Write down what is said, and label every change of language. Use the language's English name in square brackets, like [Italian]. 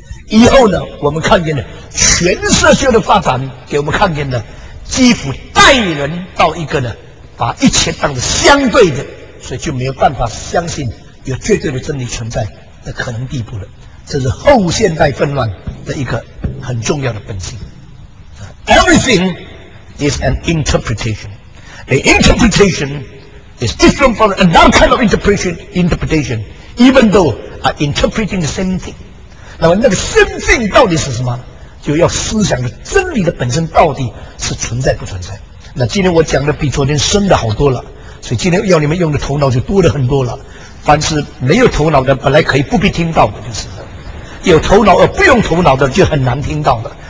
[Chinese] 以后呢，我们看见了诠释学的发展，给我们看见了几乎带人到一个呢，把一切当作相对的，所以就没有办法相信有绝对的真理存在的可能地步了。这是后现代纷乱的一个很重要的本性。 [English] Everything is an interpretation. The interpretation is different from another kind of interpretation, even though are interpreting the same thing. [Chinese] 那么那个 [English] same thing [Chinese] 到底是什么？就要思想的真理的本身到底是存在不存在。那今天我讲的比昨天深的好多了，所以今天要你们用的头脑就多了很多了。凡是没有头脑的，本来可以不必听到的，就是有头脑而不用头脑的就很难听到的。